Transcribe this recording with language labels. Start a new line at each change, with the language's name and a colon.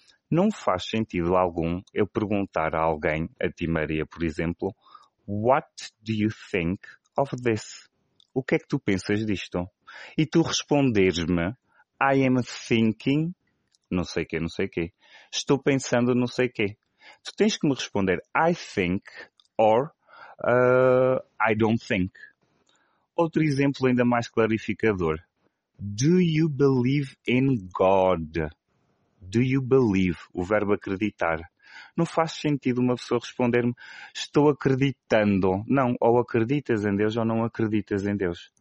Portuguese: Não faz sentido algum eu perguntar a alguém, a ti Maria, por exemplo,
English: What do you think of this?
Portuguese: O que é que tu pensas disto? E tu responderes-me,
English: I am thinking,
Portuguese: não sei o quê, não sei o quê. Estou pensando não sei o quê. Tu tens que me responder,
English: I think, or I don't think.
Portuguese: Outro exemplo ainda mais clarificador.
English: Do you believe in God?
Portuguese: Do you believe, o verbo acreditar. Não faz sentido uma pessoa responder-me, estou acreditando. Não, ou acreditas em Deus ou não acreditas em Deus.